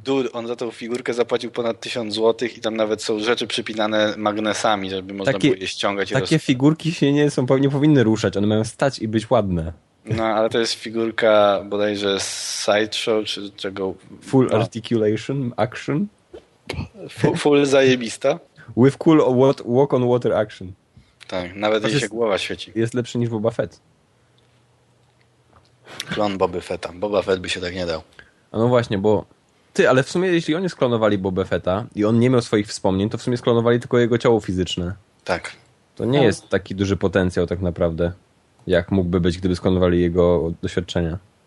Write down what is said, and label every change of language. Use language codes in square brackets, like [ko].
[pl] Dude, on za tą figurkę zapłacił ponad 1000 zł i tam nawet są rzeczy przypinane magnesami, żeby można takie, było je ściągać. Takie figurki się nie powinny ruszać, one mają stać i być ładne. No, ale to jest figurka bodajże z Sideshow, czy czego... [en] Full articulation action. [pl] Full zajebista. [en] With cool walk on water action. [pl] Tak, nawet jej się głowa świeci. Jest lepszy niż Boba Fett. Klon Boba Fetta. Boba Fett by się tak nie dał. A no właśnie, bo... Ty, ale w sumie jeśli oni sklonowali Boba Fetta i on nie miał swoich wspomnień, to w sumie sklonowali tylko jego ciało fizyczne. Tak. To nie jest taki duży potencjał tak naprawdę. Jak mógłby być, gdyby skonwali jego doświadczenia.